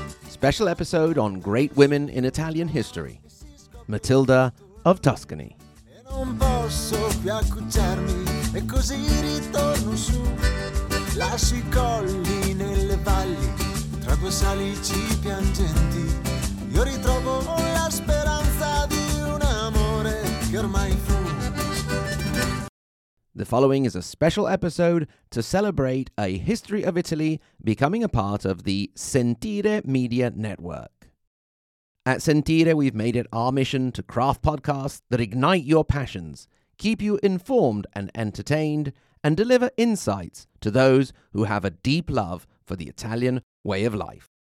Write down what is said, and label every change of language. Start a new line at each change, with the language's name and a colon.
English: Special episode on great women in Italian history, Matilda of Tuscany.
Italian: Non posso più accucciarmi e così ritorno su. Lascio i colli nelle valli tra due salici piangenti. Io ritrovo la speranza di un amore che ormai fu.
English: The following is a special episode to celebrate A History of Italy becoming a part of the Sentire Media Network. At Sentire, we've made it our mission to craft podcasts that ignite your passions, keep you informed and entertained, and deliver insights to those who have a deep love for the Italian way of life.